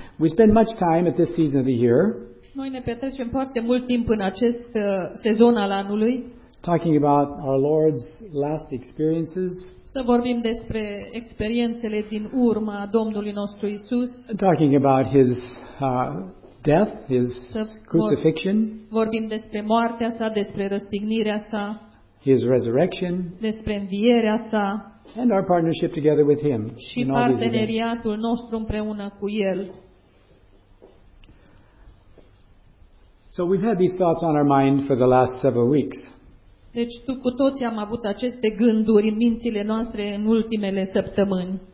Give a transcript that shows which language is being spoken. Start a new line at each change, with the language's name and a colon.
English: We spend much time at this season of the year.
Romanian: Noi ne petrecem foarte mult timp în acest sezon al anului.
English: Talking about our Lord's last experiences.
Romanian: Să vorbim despre experiențele din urma Domnului nostru Isus.
English: Talking about his death, his crucifixion.
Romanian: Vorbim despre moartea sa, despre răstignirea sa.
English: His resurrection.
Romanian: Despre învierea sa.
English: And our partnership together with him.
Romanian: Și parteneriatul nostru împreună cu el.
English: So we've had these thoughts on our mind for the last several weeks.
Romanian: Deci tu cu toți am avut aceste gânduri în mințile noastre în ultimele săptămâni.